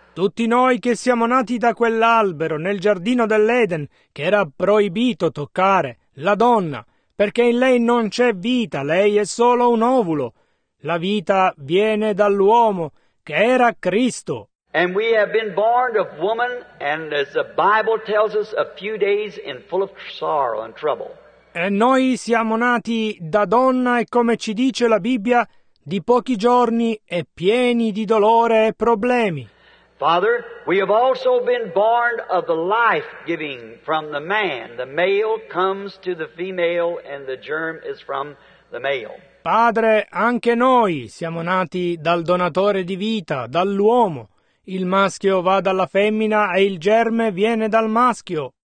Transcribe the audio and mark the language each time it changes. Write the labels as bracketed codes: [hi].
[it] Tutti noi che siamo nati da quell'albero nel giardino dell'Eden, che era proibito toccare, la donna, perché in lei non c'è vita, lei è solo un ovulo. La vita viene dall'uomo, che era Cristo. [en] And we have been born of woman, and as the Bible tells us, a few days in full of sorrow and trouble. [it] E noi siamo nati da donna e come ci dice la Bibbia, di pochi giorni e pieni di dolore e problemi. [en] Father, we have also been born of the life-giving from the man. The male comes to the female and the germ is from the male. [it] Padre, anche noi siamo nati dal donatore di vita, dall'uomo. Il maschio va dalla femmina e il germe viene dal maschio.